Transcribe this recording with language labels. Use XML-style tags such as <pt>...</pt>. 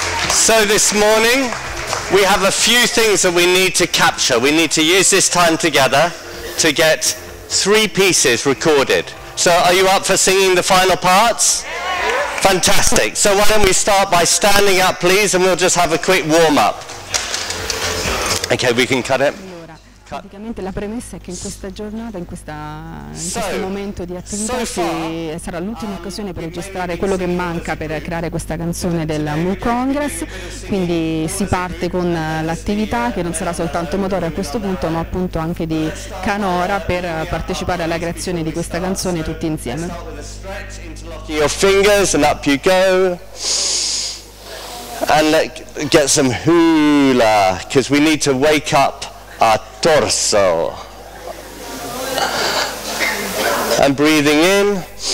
<en>So this morning, we have a few things that we need to capture. We need to use this time together to get three pieces recorded. So are you up for singing the final parts? Yes. Fantastic. So why don't we start by standing up, please, and we'll just have a quick warm-up. Okay, we can cut it.</en> <it>Praticamente la premessa è che in questa giornata, in questo momento di attività, sarà l'ultima occasione per registrare quello che manca per creare questa canzone del Mu Congress, quindi si parte con l'attività che non sarà soltanto motore a questo punto, ma appunto anche di canora per partecipare alla creazione di questa canzone tutti insieme.</it> <en>Your fingers and up you go. And get some hula, because we need to wake up a torso. And breathing in.</en>